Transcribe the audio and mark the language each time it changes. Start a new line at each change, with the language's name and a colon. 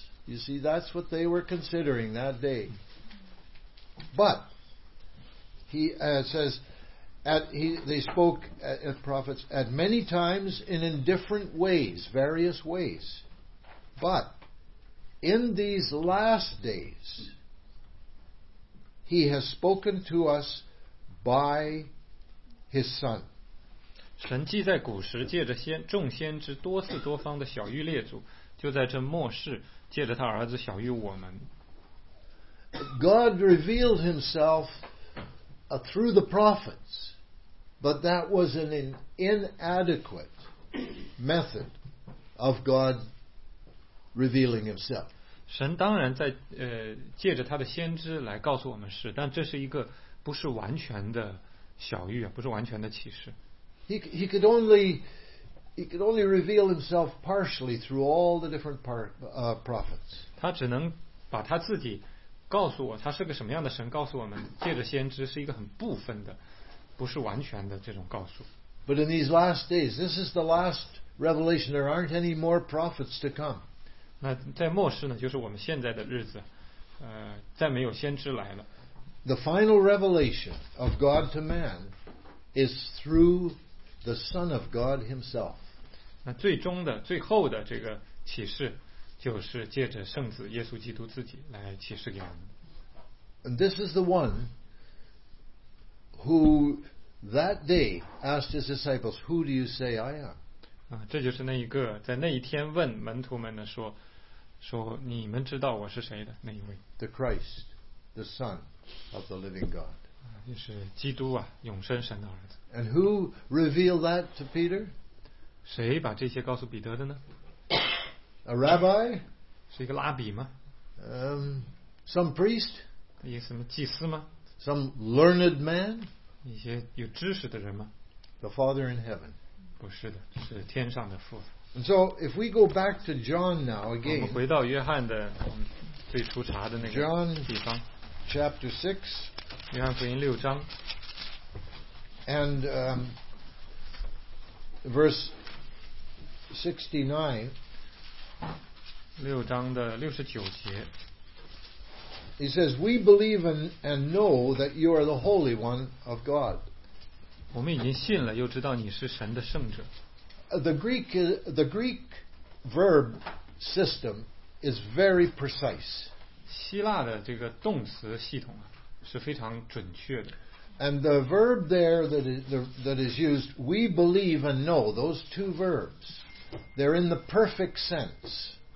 English: You see, that's what they were considering that day. But he says, they spoke at prophets at many times and in different ways, various ways. But in these last days, he has spoken to us by his Son.
Chinese: 神既在古时借着先众先知多次多方的晓谕列祖，就在这末世借着他儿子晓谕我们。
English: God revealed himself through the prophets, but that was an inadequate method of God revealing himself.
Chinese: 神当然在借着他的先知来告诉我们事，但这是一个不是完全的晓谕，不是完全的启示。
English: He could only reveal himself partially through all the different prophets.
Chinese: 他只能把他自己告诉我，他是个什么样的神，告诉我们借着先知是一个很部分的，不是完全的这种告诉。
English: But in these last days, this is the last revelation. There aren't any more prophets to come.
Chinese: 那在末世呢，就是我们现在的日子，再没有先知来了。
English: The final revelation of God to man is through the Son of God himself.
Chinese: 那最终的最后的这个启示就是借着圣子耶稣基督自己来启示给我们。
English: And this is the one who that day asked his disciples, who do you say I am?
Chinese: 这就是那一个在那一天问门徒们的说你们知道我是谁的那一位。
English: The Christ, the Son of the living God.
Chinese: 就是基督啊，永生神的儿子。
English: And who revealed that to Peter?
Chinese: 谁把这些告诉彼得的呢？
English: A rabbi?
Chinese: 是一个拉比吗？
English: Some priest?
Chinese: 一个什么祭司吗？
English: Some learned man?
Chinese: 一些有知识的人吗？
English: The Father in heaven?
Chinese: 不是的，是天上的父。
English: And so if we go back to John now again,
Chinese: 我们回到约翰的最初查的那个地方。
English: John chapter 6,
Chinese: 约翰福音六章。
English: And verse 69,
Chinese: 六章的六十九节
English: he says, we believe and know that you are the Holy One of God.
Chinese: 我们已经信了，又知道你是神的圣者。
English: The Greek verb system is very precise.
Chinese: 希腊的这个动词系统啊，是非常准确的。
English: And the verb there that is used, we believe and know, those two verbs, they're in the perfect sense.